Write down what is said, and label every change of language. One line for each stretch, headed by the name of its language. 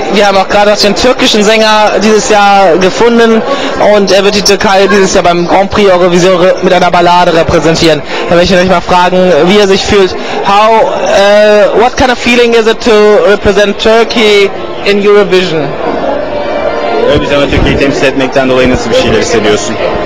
German: Wir haben auch gerade noch den türkischen Sänger dieses Jahr gefunden und er wird die Türkei dieses Jahr beim Grand Prix Eurovision mit einer Ballade repräsentieren. Da möchte ich euch mal fragen, wie er sich fühlt.
English: How, what kind of feeling is it to represent Turkey in Eurovision?
Turkish: Eurovision'a Türkiye'yi temsil etmekten dolayı nasıl bir şeyler hissediyorsun?